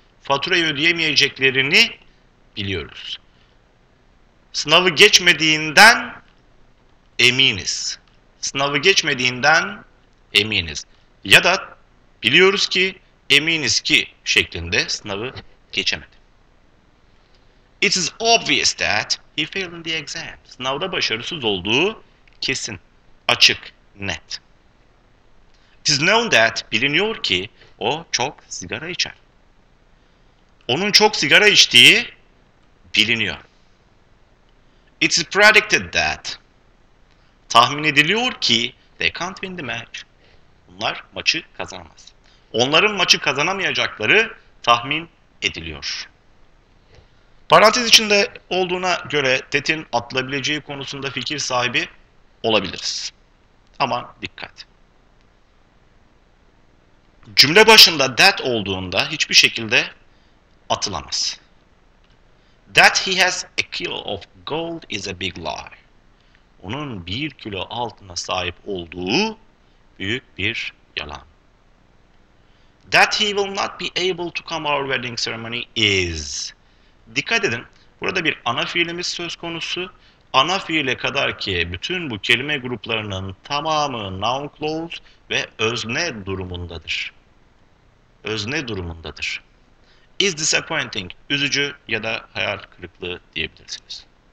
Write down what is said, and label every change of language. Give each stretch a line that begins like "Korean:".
Turkish: Faturayı ödeyemeyeceklerini biliyoruz. Sınavı geçmediğinden eminiz. Sınavı geçmediğinden eminiz. Ya da biliyoruz ki, eminiz ki şeklinde sınavı geçemedi.
English: It is obvious that he failed in the exam.
Turkish: Sınavda başarısız olduğu kesin, açık, net.
English: It is known that
Turkish: biliniyor ki o çok sigara içer. Onun çok sigara içtiği biliniyor.
English: It is predicted that.
Turkish: Tahmin ediliyor ki
English: they can't win the match.
Turkish: Bunlar maçı kazanamaz. Onların maçı kazanamayacakları tahmin ediliyor. Parantez içinde olduğuna göre that'in atılabileceği konusunda fikir sahibi olabiliriz. Ama dikkat. Cümle başında that olduğunda hiçbir şekilde atılamaz.
English: That he has a kilo of gold is a big lie.
Turkish: onun 1 kilo altına sahip olduğu büyük bir yalan.
English: That he will not be able to come our wedding ceremony is.
Turkish: Dikkat edin. Burada bir ana fiilimiz söz konusu. Ana fiile kadar ki bütün bu kelime gruplarının tamamı noun clause ve özne durumundadır. Özne durumundadır.
English: Is disappointing,
Turkish: üzücü ya da hayal kırıklığı diyebilirsiniz.